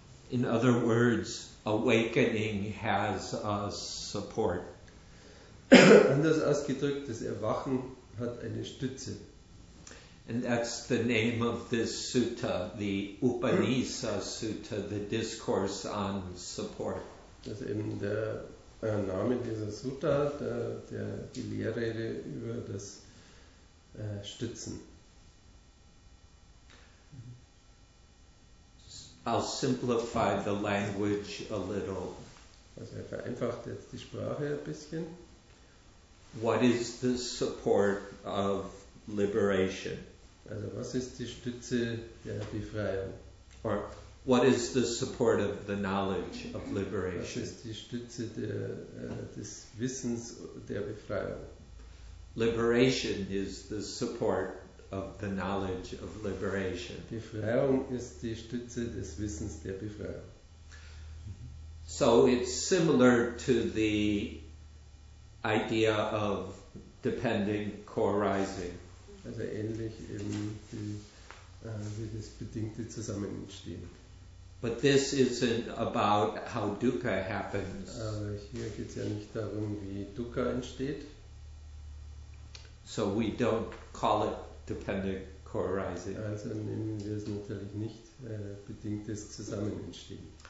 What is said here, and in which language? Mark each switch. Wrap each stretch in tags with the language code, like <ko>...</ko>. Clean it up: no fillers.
<en>In other words, awakening has a support.</en> <de>Anders ausgedrückt, das Erwachen hat eine Stütze.</de> <en>And that's the name of this sutta, the Upanisa Sutta, the discourse on support.</en> <de>Das ist eben der Name dieser Sutta, die Lehrrede über das Stützen.</de> <en>I'll simplify the language a little.</en> <de>Also ich vereinfache jetzt die Sprache ein bisschen.</de> <en>What is the support of liberation?</en> <de>Also was ist die Stütze der Befreiung?</de> <en>Or what is the support of the knowledge of liberation?</en> <de>Was ist die Stütze des Wissens der Befreiung?</de> <en>Liberation is the support of the knowledge of liberation.</en> <de>Befreiung ist die Stütze des Wissens der Befreiung.</de> <en>So it's similar to the idea of depending co-arising.</en> <de>Also ähnlich eben wie das bedingte Zusammenentstehen.</de> <en>But this isn't about how dukkha happens.</en> <de>Aber hier geht's ja nicht darum, wie dukkha entsteht.</de> <en>So we don't call it dependent co-arising.</en> <de>Also nennen wir es natürlich nicht bedingtes Zusammenentstehen.</de>